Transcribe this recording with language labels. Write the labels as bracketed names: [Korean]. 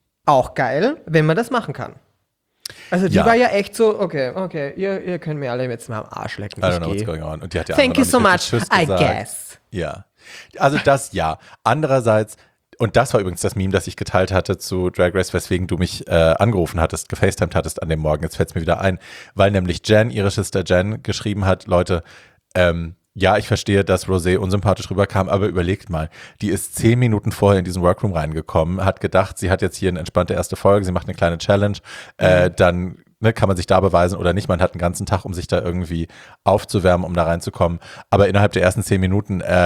[German] Auch geil, wenn man das machen kann. Also die war ja echt so, okay, ihr könnt mir alle jetzt mal am Arsch lecken. [English] I don't know what's going on. [German] Und die hat ja [English] Thank you so much, I guess. [German] Ja, also das ja. Andererseits, und das war übrigens das Meme, das ich geteilt hatte zu Drag Race, weswegen du mich angerufen hattest, gefacetimed hattest an dem Morgen, jetzt fällt es mir wieder ein, weil nämlich Jen, ihre Schwester Jen, geschrieben hat, Leute, ja, ich verstehe, dass Rosé unsympathisch rüberkam, aber überlegt mal, die ist 10 Minuten vorher in diesen Workroom reingekommen, hat gedacht, sie hat jetzt hier eine entspannte erste Folge, sie macht eine kleine Challenge, dann ne, kann man sich da beweisen oder nicht, man hat einen ganzen Tag, um sich da irgendwie aufzuwärmen, um da reinzukommen, aber innerhalb der ersten 10 Minuten